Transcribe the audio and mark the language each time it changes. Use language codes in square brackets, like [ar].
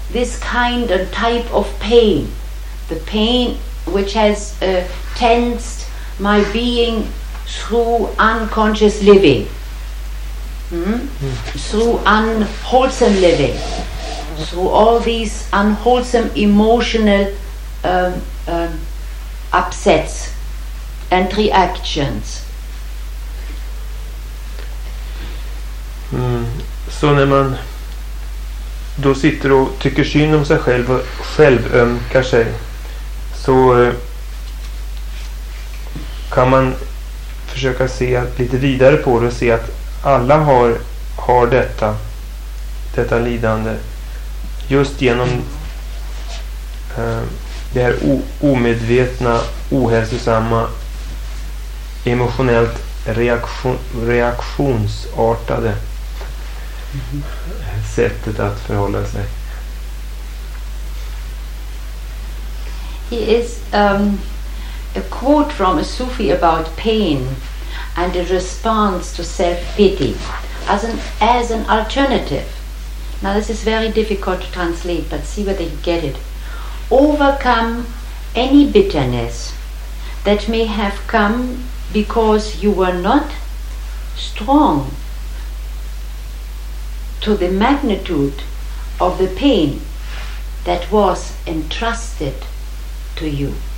[en] this kind of type of pain, the pain which has tensed my being through unconscious living, through unwholesome living, through all these unwholesome emotional upsets and reactions. Mm. [sv] Så när man då sitter och tycker synd om sig själv och själv ömkar sig, så kan man försöka se lite vidare på det och se att alla har detta lidande just genom det här omedvetna, ohälsosamma, emotionellt reaktionsartade sättet att förhålla sig. [en] He is a quote from a Sufi about pain and a response to self-pity as an alternative. Now this is very difficult to translate, but see whether you get it. Overcome any bitterness that may have come because you were not strong to the magnitude of the pain that was entrusted to you.